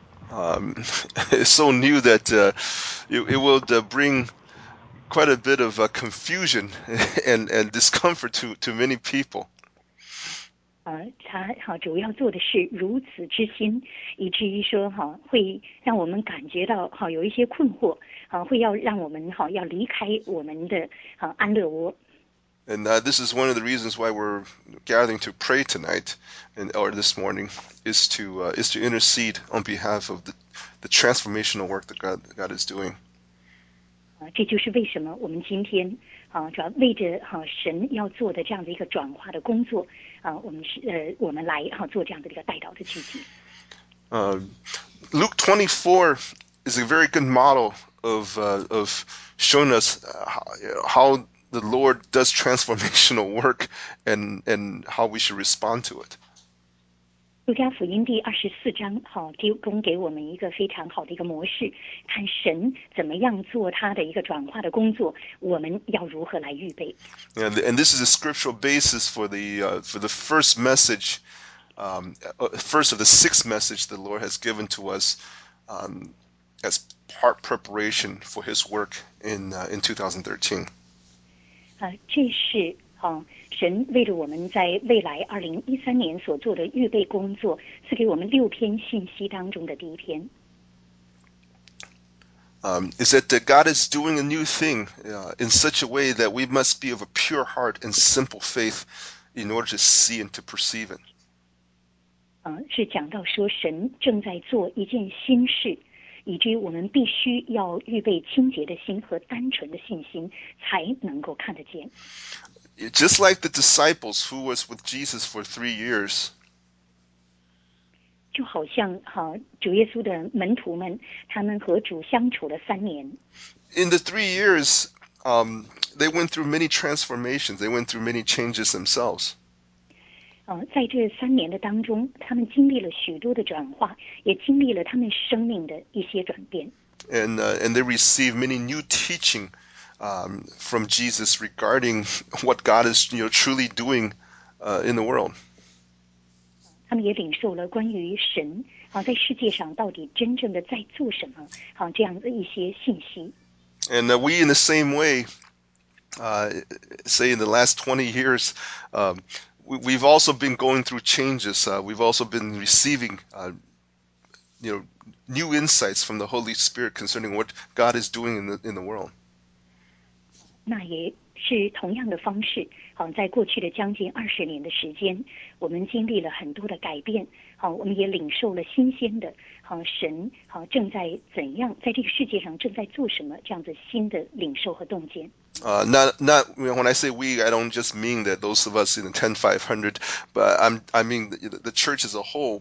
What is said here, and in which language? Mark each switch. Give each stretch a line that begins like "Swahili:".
English: It's so new that it will bring quite a bit of confusion and discomfort to many people.
Chinese: 他主要做的是如此之新，以至于说会让我们感觉到有一些困惑，会要让我们要离开我们的安乐窝。
English: And this is one of the reasons why we're gathering to pray tonight or this morning is to intercede on behalf of the transformational work that God is doing.
Chinese: 这就是为什么我们今天主要为着神要做的这样的一个转化的工作我们来做这样的一个代祷的聚集。
English: Luke 24 is a very good model of showing us how the Lord does transformational work and how we should respond to it.
Chinese: 路加福音第24章提供给我们一个非常好的一个模式，看神怎么样做他的一个转化的工作，我们要如何来预备。
English: And this is a scriptural basis for the first message, first of the six message the Lord has given to us, as part preparation for his work in 2013.
Chinese: 这是神为了我们在未来2013年所做的预备工作，赐给我们六篇信息当中的第一篇。
English: Is that God is doing a new thing, in such a way that we must be of a pure heart and simple faith in order to see and to perceive it.
Chinese: 是讲到说神正在做一件新事。以至于我们必须要预备清洁的心和单纯的信心，才能够看得见。
English: Just like the disciples who was with Jesus for 3 years,
Chinese: 就好像主耶稣的门徒们，他们和主相处了3年。
English: In the 3 years, they went through many transformations. They went through many changes themselves.
Chinese: 在这3年的当中，他们经历了许多的转化，也经历了他们生命的一些转变。
English: And they receive many new teaching, from Jesus regarding what God is, you know, truly doing, in the world.
Chinese: 他们也领受了关于神在世界上到底真正的在做什么这样的一些信息。
English: And we in the same way, say in the last 20 years, we've also been going through changes. We've also been receiving new insights from the Holy Spirit concerning what God is doing in the world.
Chinese: 那也是同样的方式，好，在过去的将近20年的时间，我们经历了很多的改变，好，我们也领受了新鲜的，好，神，好，正在怎样，在这个世界上正在做什么，这样的新的领受和洞见。
English: When I say we, I don't just mean that those of us in the 10-500, but I mean the church as a whole.